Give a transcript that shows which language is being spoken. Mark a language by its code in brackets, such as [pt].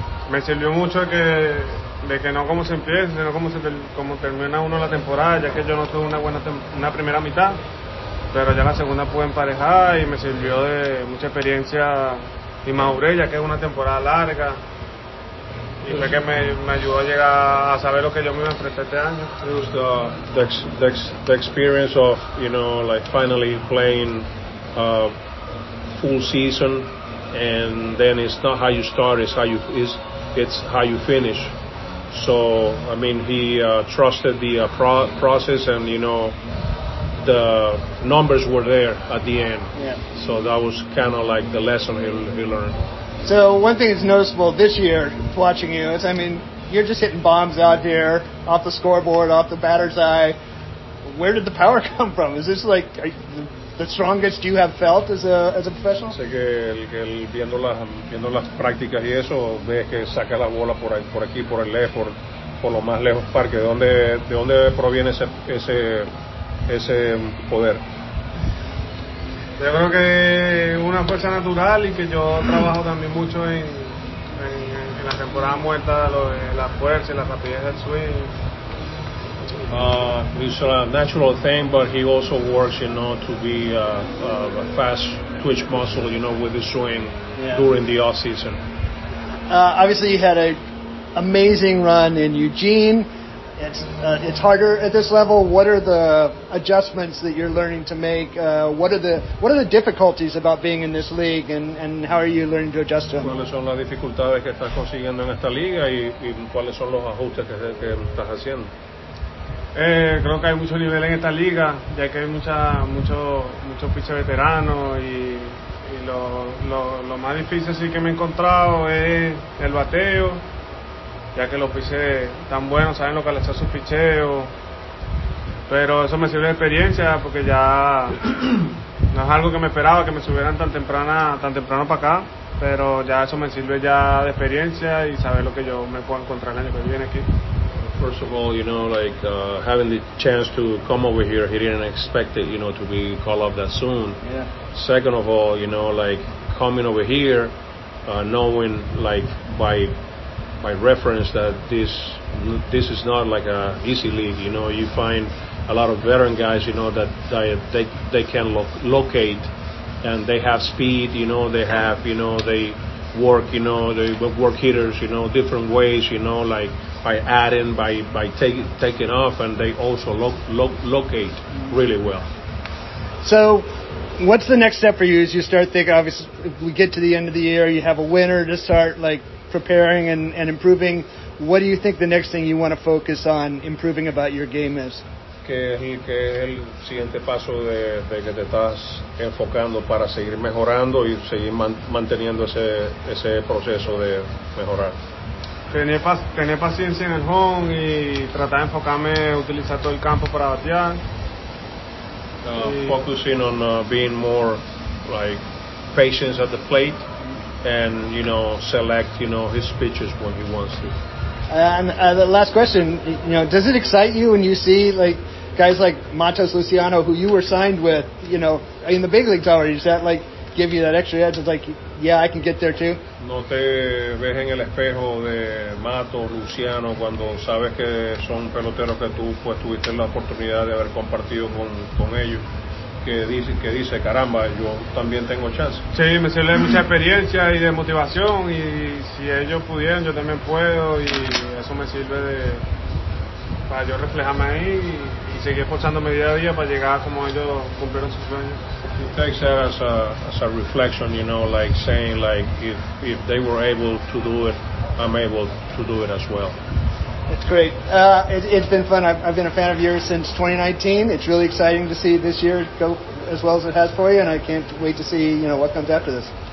[es] Me sirvió mucho de que no como se empieza, sino como termina uno la temporada, ya que yo no tuve una primera mitad. Pero ya la segunda pude emparejar y me sirvió de mucha experiencia y madurez, ya que es una temporada larga. Y fue que me ayudó a llegar a saber lo que yo me iba a enfrentar este año. [en] It was the experience of, you know, like finally playing full season, and then it's not how you start, it's how you finish. So, I mean, he trusted the process and, you know, the numbers were there at the end. Yeah. So that was kind of like the lesson he learned. So one thing that's noticeable this year, watching you, is, I mean, you're just hitting bombs out here, off the scoreboard, off the batter's eye. Where did the power come from? Is this like the strongest you have felt as a professional? [es] Sé que viendo las prácticas y eso, ves que saca la bola por aquí, por el lejos, por lo más lejos parque. ¿De dónde proviene ese poder? Yo creo que una fuerza natural y que yo trabajo también mucho en la temporada muerta, la fuerza y la rapidez del swing. [en] It's a natural thing, but he also works, you know, to be a fast twitch muscle, you know, with the swing, yeah, during the off season. Obviously, you had an amazing run in Eugene. It's harder at this level. What are the adjustments that you're learning to make? What are the difficulties about being in this league, and how are you learning to adjust to them? [es] ¿Cuáles son las dificultades que estás consiguiendo en esta liga y cuáles son los ajustes que estás haciendo? Creo que hay mucho nivel en esta liga, ya que hay muchos pitchers veteranos y lo más difícil sí que me he encontrado es el bateo. Ya que los piches están buenos, saben localizar sus picheos. Pero eso me sirve de experiencia, porque ya no es algo que me esperaba, que me subieran tan temprano para acá. Pero ya eso me sirve ya de experiencia y saber lo que yo me puedo encontrar el año que viene aquí. [en] first of all, you know, like having the chance to come over here, he didn't expect it, you know, to be called up that soon. Yeah. Second of all, you know, like coming over here, knowing like by reference that this is not like a easy league, you know, you find a lot of veteran guys, you know, that they can locate and they have speed, you know, they have, you know, they work, you know, they work hitters, you know, different ways, you know, like by adding, by taking off, and they also locate really well. So what's the next step for you as you start thinking, obviously, if we get to the end of the year, you have a winner to start, like, preparing and improving. What do you think the next thing you want to focus on improving about your game is? [es] Que el siguiente paso de que te estás enfocando para seguir mejorando y seguir manteniendo ese proceso de mejorar. Tener paciencia en el home y tratar de enfocarme, utilizar todo el campo para batear. [en] Focusing on being more like patient at the plate and, you know, select, you know, his pitches when he wants to. And the last question, you know, does it excite you when you see, like, guys like Matos Luciano, who you were signed with, you know, in the big leagues already? Does that, like, give you that extra edge? It's like, yeah, I can get there too? [es] No te ves en el espejo de Matos Luciano cuando sabes que son peloteros que tú, pues, tuviste la oportunidad de haber compartido con ellos. Que dice, caramba, yo también tengo chance. Sí, me sirve mucha experiencia y de motivación, y si ellos pudieran, yo también puedo, y eso me sirve de para yo reflejarme ahí y seguir esforzándome día a día para llegar como ellos cumplieron sus sueños. [en] It takes that as a reflection, you know, like saying, like, if they were able to do it, I'm able to do it as well. It's great. It's been fun. I've been a fan of yours since 2019. It's really exciting to see this year go as well as it has for you, and I can't wait to see, you know, what comes after this.